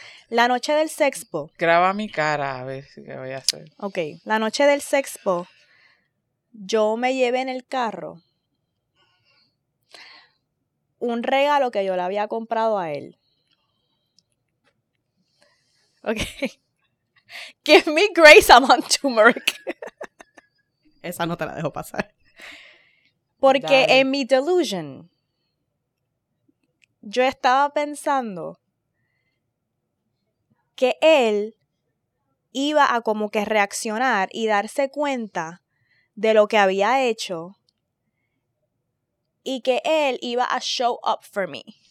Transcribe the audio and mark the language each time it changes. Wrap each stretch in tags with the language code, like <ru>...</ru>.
<es>La noche del sexpo. Graba mi cara, a ver si qué voy a hacer. Ok, la noche del sexpo, yo me llevé en el carro un regalo que yo le había comprado a él. Ok.</es> <en>Give me grace, I'm on turmeric.</en> <es>Esa no te la dejo pasar. Porque dale. En mi delusion, yo estaba pensando que él iba a como que reaccionar y darse cuenta de lo que había hecho y que él iba a</es> <en>show up for me.</en>